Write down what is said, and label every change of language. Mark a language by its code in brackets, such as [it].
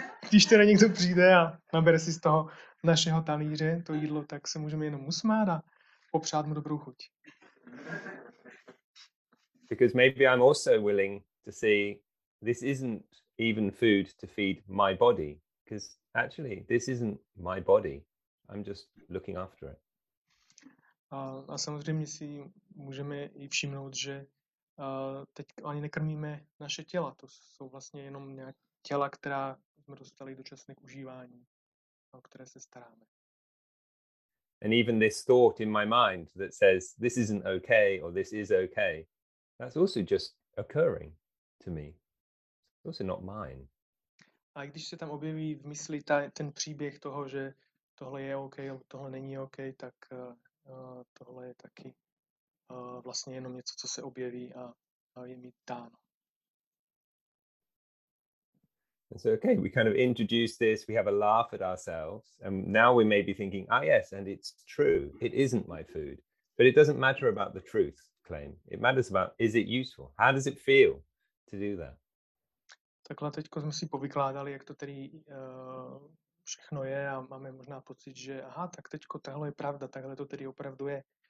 [cs] Když teda někdo přijde a nabere si z toho našeho talíře to jídlo, tak se můžeme jenom usmát a popřát mu dobrou chuť. [en] Because maybe I'm also willing to see this isn't even food to feed my body, because actually this isn't my body. I'm just looking after it. [cs] A samozřejmě si můžeme i všimnout, že teď ani nekrmíme naše těla. To jsou vlastně jenom nějak těla, která jsme dostali dočasně k užívání, o které se staráme. [en] And even this thought in my mind that says this isn't okay or this is okay, that's also just occurring to me. It's also not mine. [cs] A když se tam objeví v mysli ten příběh toho, že tohle je okay, tohle není okay, tak tohle je taky vlastně jenom něco, co se objeví a je mi dáno. [en] And so okay, we kind of introduce this, we have a laugh at ourselves, and now we may be thinking, yes, and it's true, it isn't my food. But it doesn't matter about the truth claim. It matters about, is it useful? How does it feel to do that? [cs] Takhle teďko jsme si povykládali, jak to tedy všechno je a máme možná pocit, že tak teďko tohle je pravda, takhle to tedy opravdu je.